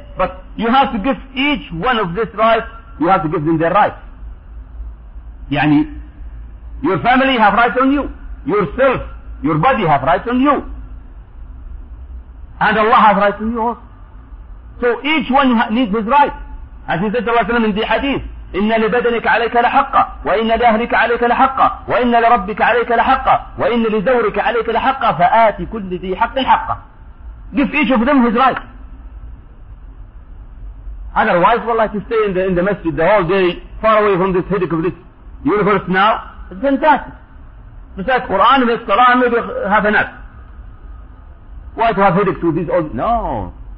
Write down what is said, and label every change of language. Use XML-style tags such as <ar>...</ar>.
<en>But you have to give each one of this rights, you have to give them their rights. Yani, your family have rights on you. Yourself, your body have rights on you. And Allah has rights on you also. So each one needs his rights. As he said to Allah in the hadith,</en> <ar>إِنَّ لِبَدَنِكَ عَلَيْكَ لَحَقَّ وَإِنَّ لِأَهْلِكَ عَلَيْكَ لَحَقَّ وَإِنَّ لِرَبِّكَ عَلَيْكَ لَحَقَّ وَإِنَّ لِزَوْرِكَ عَلَيْكَ لَحَقَّ فَآتِ كُلِّ ذِي حَقٍ حَقَّ.</ar> <en>Give each of them his rights. Otherwise, well, like you stay in the masjid the whole day, far away from this headache of this universe now, it's fantastic. Besides Quran, the Salah, maybe half a nap. Why to have headache to this old? No.</en>